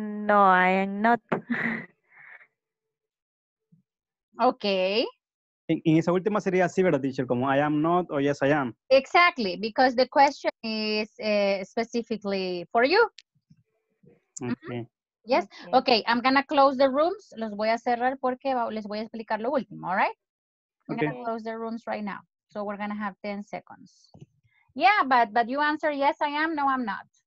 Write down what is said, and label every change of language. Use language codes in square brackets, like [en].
[en] No, I am not. Okay. [es] En esa última sería así, ¿verdad, teacher? Como [en] I am not or yes, I am. Exactly, because the question is specifically for you. Okay. Mm-hmm. Yes. Okay. I'm going to close the rooms. [es] Los voy a cerrar porque les voy a explicar lo último, [en] all right? I'm going to close the rooms right now. So we're going to have 10 seconds. Yeah, but you answer yes, I am. No, I'm not.